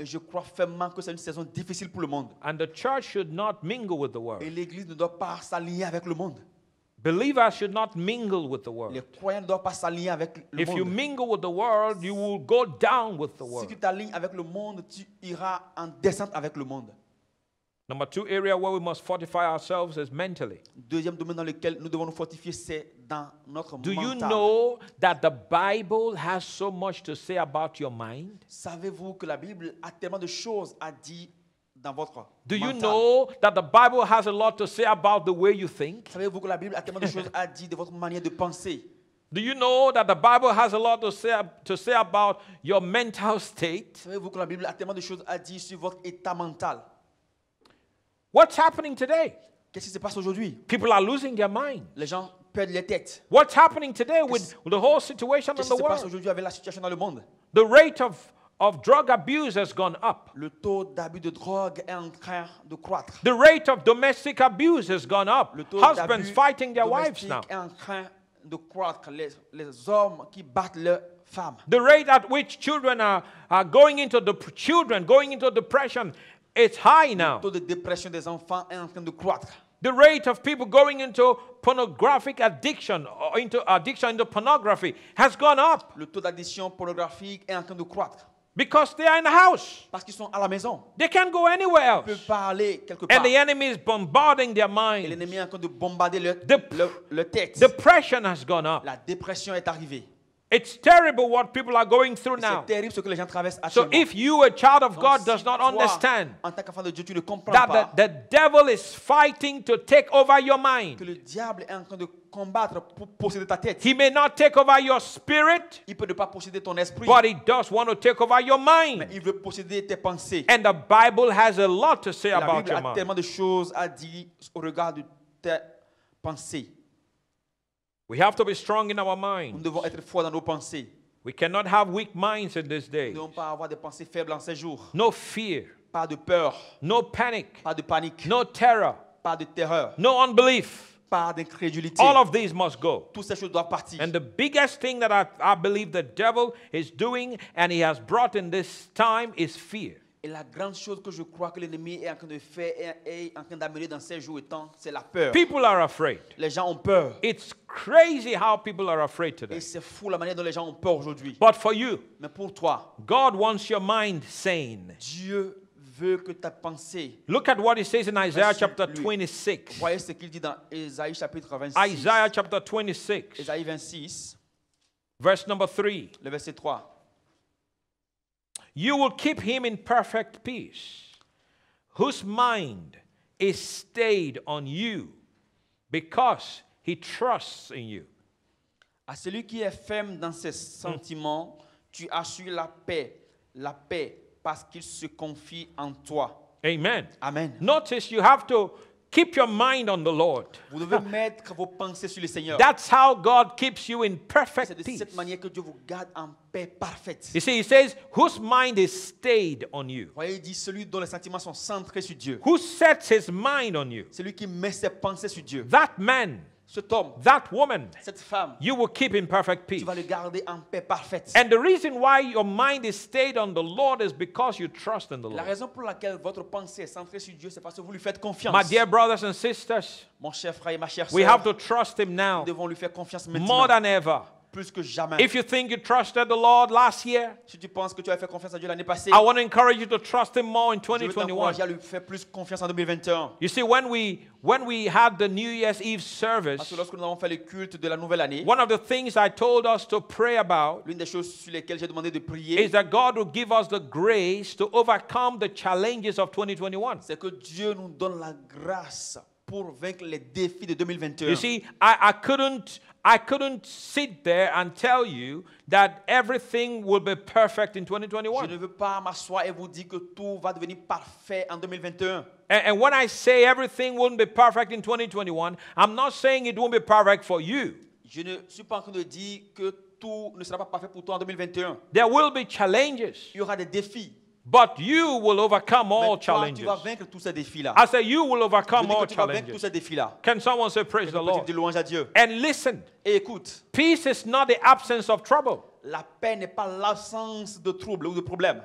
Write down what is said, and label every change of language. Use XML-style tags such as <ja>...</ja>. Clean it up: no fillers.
<fr>Et je crois fermement que c'est une saison difficile pour le monde.</fr> <en>And the church should not mingle with the world.</en> <fr>Et l'église ne doit pas s'allier avec le monde.</fr> <en>Believers should not mingle with the world.</en> <fr>Les croyants ne doivent pas s'allier avec le</fr> <en>if</en> <fr>monde.</fr> <en>If you mingle with the world, you will go down with the world.</en> <fr>Si tu t'alignes avec le monde, tu iras en descente avec le monde.</fr> <en>Number two area where we must fortify ourselves is mentally.</en> <fr>Deuxième domaine dans lequel nous devons nous fortifier, c'est dans notre mental.</fr> <en>Do you know that the Bible has so much to say about your mind?</en> <fr>Savez-vous que la Bible a tellement de choses à dire dans votre</fr> <en>do</en> <fr>mental?</fr> <en>You know that the Bible has a lot to say about the way you think?</en> <fr>Savez-vous que la Bible a tellement de choses à dire de votre manière de penser?</fr> <en>Do you know that the Bible has a lot to say about your mental state?</en> <fr>Savez-vous que la Bible a tellement de choses à dire sur votre état mental?</fr> <en>What's happening today?</en> <fr>Qu'est-ce qui se passe aujourd'hui?</fr> <en>People are losing their mind.</en> <fr>Les gens perdent les têtes.</fr> <en>What's happening today with the whole situation</en> <fr>qu'est-ce</fr> <en>in the world?</en> <fr>Qu'est-ce qui se passe aujourd'hui avec la situation dans le monde?</fr> <en>The rate of drug abuse has gone up.</en> <fr>Le taux d'abus de drogue est en train de croître.</fr> <en>The rate of domestic abuse has gone up. Husbands fighting their wives now.</en> <fr>Est en train de croître. Les hommes qui battent leurs femmes.</fr> <en>The rate at which children are going into the children going into depression. It's high now.</en> <fr>Le taux de dépression des enfants est en train de croître.</fr> <en>The rate of people going into pornographic addiction or into addiction into pornography has gone up.</en> <fr>Le taux d'addiction pornographique est en train de croître.</fr> <en>Because they are in the house.</en> <fr>Parce qu'ils sont à la maison.</fr> <en>They can't go anywhere else.</en> <fr>Ils peuvent pas aller quelque part.</fr> <en>And the enemy is bombarding their minds.</en> <fr>Et l'ennemi est en train de bombarder leur tête.</fr> <en>Depression has gone up.</en> <fr>La dépression est arrivée.</fr> <en>It's terrible what people are going through</en> <fr>c'est</fr> <en>now.</en> <fr>Terrible ce que les gens traversent actuellement.</fr> <en>So if you, a child of</en> <fr>donc</fr> <en>God,</en> <fr>si</fr> <en>does not</en> <fr>toi,</fr> <en>understand</en> <fr>en tant qu'enfant de Dieu, tu ne comprends</fr> <en>that</en> <fr>pas</fr> <en>the devil is fighting to take over your mind,</en> <fr>que le diable est en train de combattre pour posséder ta tête.</fr> <en>He may not take over your spirit,</en> <fr>il peut ne pas posséder ton esprit,</fr> <en>but he does want to take over your mind.</en> <fr>Mais il veut posséder tes pensées.</fr> <en>And the Bible has a lot to say</en> <fr>la Bible</fr> <en>about your mind.</en> <fr>A tellement de choses à dire au regard de tes pensées.</fr> <en>We have to be strong in our minds.</en> <fr>Nous devons être forts dans nos pensées.</fr> <en>We cannot have weak minds in this day.</en> <fr>Nous ne devons pas avoir des pensées faibles en ces jours.</fr> <en>No fear.</en> <fr>Pas de peur.</fr> <en>No panic.</en> <fr>Pas de panique.</fr> <en>No terror.</en> <fr>Pas de terreur.</fr> <en>No unbelief.</en> <fr>Pas d'incrédulité.</fr> <en>All of these must go.</en> <fr>Toutes ces choses doivent partir.</fr> <en>And the biggest thing that I believe the devil is doing and he has brought in this time is fear.</en> <fr>Et la grande chose que je crois que l'ennemi est en train de faire et est en train d'amener dans ces jours et temps, c'est la peur.</fr> <en>People are afraid.</en> <fr>Les gens ont peur.</fr> <en>It's crazy how people are afraid today.</en> <fr>Et c'est fou la manière dont les gens ont peur aujourd'hui.</fr> <en>But for you,</en> <fr>mais pour toi,</fr> <en>God wants your mind sane.</en> <fr>Dieu veut que ta pensée.</fr> <en>Look at what he says in Isaiah chapter 26.</en> <fr>Voyez ce qu'il dit dans Isaïe chapitre 26.</fr> <en>Isaiah chapter 26.</en> <fr>Isaïe 26.</fr> <en>Verse number 3.</en> <fr>Le verset 3.</fr> <en>You will keep him in perfect peace, whose mind is stayed on you, because he trusts in you.</en> <fr>À celui qui est ferme dans ses sentiments, tu assures la paix, parce qu'il se confie en toi.</fr> <en>Amen.</en> <fr>Amen.</fr> <en>Notice you have to keep your mind on the Lord.</en> <fr>Vous devez mettre vos pensées sur le Seigneur.</fr> <en>That's how God keeps you in perfect peace.</en> <fr>C'est de cette manière que Dieu vous garde en paix parfaite.</fr> <en>You see, he says, whose mind is stayed on you?</en> <fr>Voyez, il dit celui dont les sentiments sont centrés sur Dieu.</fr> <en>Who sets his mind on you?</en> <fr>Celui qui met ses pensées sur Dieu.</fr> <en>That man.</en> <fr>Cet homme,</fr> <en>that woman,</en> <fr>cette femme,</fr> <en>you will keep in perfect peace.</en> <fr>Tu vas le garder en paix parfaite.</fr> <en>And the reason why your mind is stayed on the Lord is because you trust in the Lord.</en> <fr>La raison pour laquelle votre pensée est centrée sur Dieu, c'est parce que vous lui faites confiance.</fr> <en>My dear brothers and sisters,</en> <fr>mon cher frère et ma chère sœur,</fr> <en>we have to trust him now.</en> <fr>Nous devons lui faire confiance maintenant.</fr> <en>More than ever.</en> <fr>Plus que jamais.</fr> <en>If you think you trusted the Lord last year,</en> <fr>si tu penses que tu as fait confiance à Dieu l'année passée,</fr> <en>I want to encourage you to trust him more in 2021.</en> <fr>Je veux t'encourager à lui faire plus confiance en 2021.</fr> <en>You see, when we had the New Year's Eve service,</en> <fr>parce que lorsque nous avons fait le culte de la nouvelle année,</fr> <en>one of the things I told us to pray about,</en> <fr>l'une des choses sur lesquelles j'ai demandé de prier,</fr> <en>is that God will give us the grace to overcome the challenges of 2021.</en> <fr>C'est que Dieu nous donne la grâce pour vaincre les défis de 2021.</fr> <en>You see, I couldn't sit there and tell you that everything will be perfect in 2021.</en> <fr>Je ne veux pas m'asseoir et vous dire que tout va devenir parfait en 2021.</fr> <en>And when I say everything won't be perfect in 2021, I'm not saying it won't be perfect for you.</en> <fr>Je ne suis pas en train de dire que tout ne sera pas parfait pour toi en 2021.</fr> <en>There will be challenges.</en> <fr>Il y aura des défis.</fr> <en>But you will overcome all challenges.</en> <fr>Tu vas vaincre tous ces défis là.</fr> <en>I say you will overcome all challenges. Can someone say praise the Lord?</en> <fr>Dire louange à Dieu.</fr> <en>And listen.</en> <fr>Et écoute.</fr> <en>Peace is not the absence of trouble.</en> <fr>La paix n'est pas l'absence de trouble ou de problème.</fr>